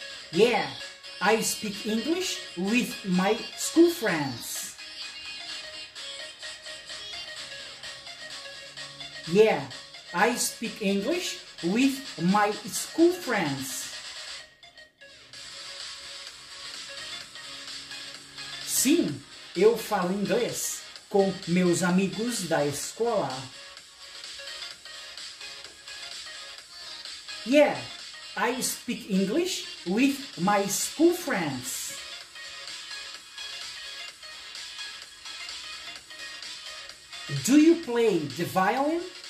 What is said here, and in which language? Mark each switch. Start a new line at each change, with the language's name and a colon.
English: Yeah, I speak English with my school friends. Yeah, I speak English with my school friends.
Portuguese: Sim, eu falo inglês com meus amigos da escola.
English: Yeah, I speak English with my school friends. Do you play the violin?